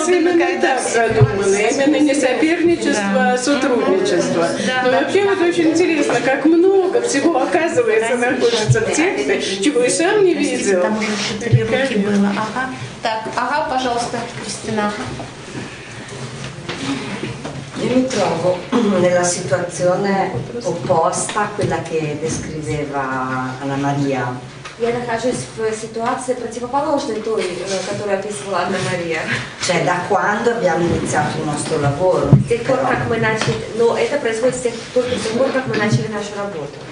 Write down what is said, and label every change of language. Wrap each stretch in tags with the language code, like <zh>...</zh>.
<ru>особенно когда так задумано. Именно не соперничество, да, а сотрудничество. Да, но да, вообще да, вот да, очень да, интересно, как много всего оказывается находится в тексте, чего и сам не видел. Там уже 4 руки было. Ага. Так, ага, пожалуйста, Кристина.</ru> <it>Io mi trovo nella situazione opposta a quella che descriveva Anna Maria.</it> <ru>Я нахожусь в ситуации противоположной той, которую описывала Анна Мария.</ru> <it>Cioè, da quando abbiamo iniziato il nostro lavoro?</it> <ru>С тех пор, как мы начали, но это происходит только с тех пор, как мы начали нашу работу.</ru>